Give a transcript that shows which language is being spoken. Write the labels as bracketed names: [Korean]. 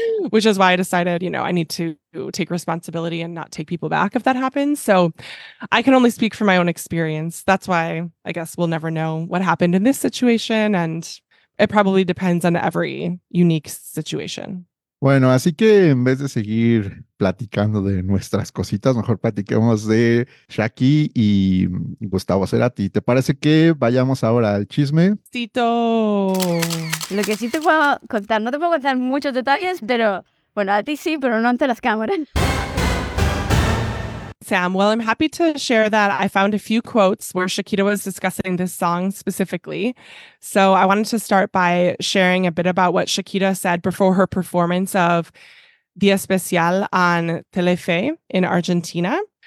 [English] Which is why I decided, you know, I need to take responsibility and not take people back if that happens. So I can only speak from my own experience. That's why I guess we'll never know what happened in this situation. And it probably depends on every unique situation. [Spanish] Bueno, así que en vez de seguir platicando de nuestras cositas, mejor platiquemos de Shaki y Gustavo Cerati. ¿Te parece que vayamos ahora al chisme? ¡Tito! Lo que sí te puedo contar, no te puedo contar muchos detalles, pero bueno, a ti sí, pero no ante las cámaras. [English] Sam, well, I'm happy to share that I found a few quotes where Shakira was discussing this song specifically. So I wanted to start by sharing a bit about what Shakira said before her performance of Día Especial on Telefe in Argentina.